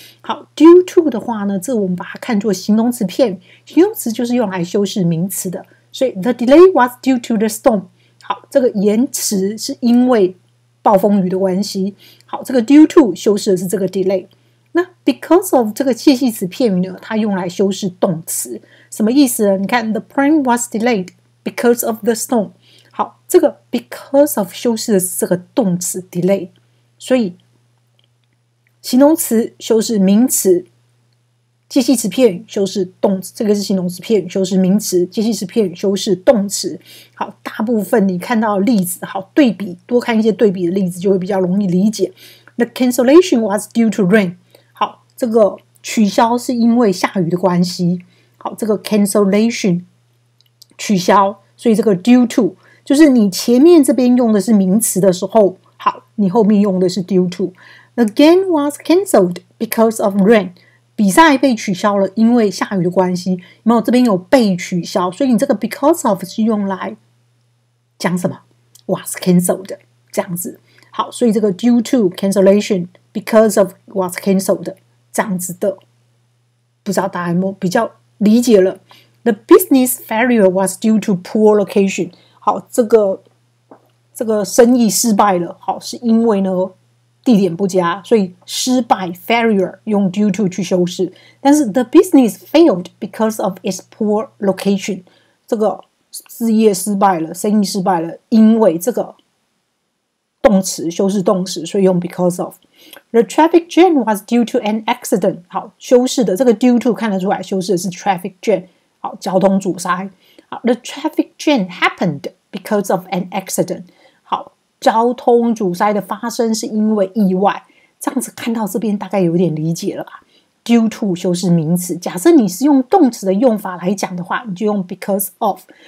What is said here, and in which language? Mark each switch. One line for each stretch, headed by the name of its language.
Chinese: 好， due to 的话呢，这我们把它看作形容词片，形容词就是用来修饰名词的，所以
English: the delay was due to the storm。
Chinese: 好，这个延迟是因为暴风雨的关系。好，这个 due to 修饰的是这个 delay。那 because of 这个介系词片语呢，它用来修饰动词，什么意思呢？你看
English: the plane was delayed because of the storm。
Chinese: 好，这个 because of 修饰的是这个动词 delay， 所以形容词修饰名词，介系词片语修饰动词，这个是形容词片语修饰名词，介系词片语修饰动词。好，大部分你看到例子，好，对比，多看一些对比的例子就会比较容易理解。
English: The cancellation was due to rain。
Chinese: 好，这个取消是因为下雨的关系。好，这个 cancellation 取消，所以这个 due to 就是你前面这边用的是名词的时候，好，你后面用的是 due to。
English: The game was cancelled because of rain。
Chinese: 比赛被取消了，因为下雨的关系。没有，这边有被取消，所以你这个 because of 是用来讲什么？
English: was cancelled
Chinese: 这样子。好，所以这个 due to cancellation because of was cancelled 这样子的，不知道大家有没有比较理解了。
English: The business failure was due to poor location。
Chinese: 好，这个生意失败了，好，是因为呢地点不佳，所以失败 failure 用 due to 去修饰。但是
English: the business failed because of its poor location，
Chinese: 这个事业失败了，生意失败了，因为这个动词修饰动词，所以用 because of。
English: The traffic jam was due to an accident。
Chinese: 好，修饰的这个 due to 看得出来修饰的是 traffic jam。
English: 好，
Chinese: 交通阻塞。
English: 好， the traffic jam happened because of an accident。
Chinese: 交通阻塞的发生是因为意外，这样子看到这边大概有点理解了吧。 due to 修饰名词，假设你是用动词的用法来讲的话，你就用 because of。